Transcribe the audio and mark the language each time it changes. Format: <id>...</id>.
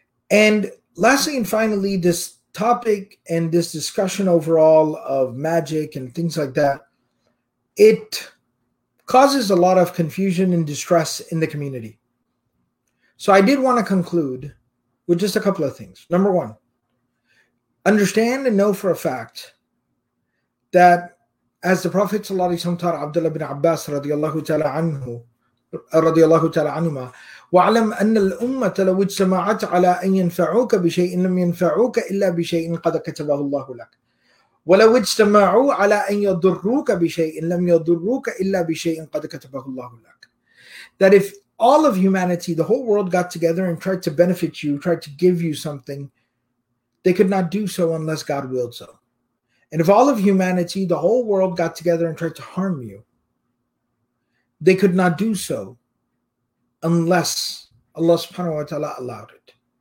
<en>And lastly and finally, this topic and this discussion overall of magic and things like that, it causes a lot of confusion and distress in the community. So I did want to conclude with just a couple of things. Number one, understand and know for a fact that as the Prophet ﷺ taught Abdullah bin Abbas radiallahu ta'ala anhu, radiallahu ta'ala anhuma,</en> <ar>وَعَلَمْ أَنَّ الْأُمَّةَ لَوِ اجْتَمَعَتْ عَلَىٰ أَنْ يَنْفَعُوكَ بِشَيْءٍ لَمْ يَنْفَعُوكَ إِلَّا بِشَيْءٍ قَدَ كَتَبَهُ اللَّهُ لَكَ وَلَوِ اجْتَمَعُوا عَلَىٰ أَنْ يَضُرُّوكَ بِشَيْءٍ لَمْ يَضُرُّوكَ إِلَّا بِشَيْءٍ قَدَ كَتَبَهُ اللَّهُ لَكَ.</ar> <en>That if all of humanity, the whole world got together and tried to benefit you, tried to give you something, they could not do so unless God willed so. And if all of humanity, the whole world got together and tried to harm you, they could not do so unless Allah subhanahu wa ta'ala allowed it.</en>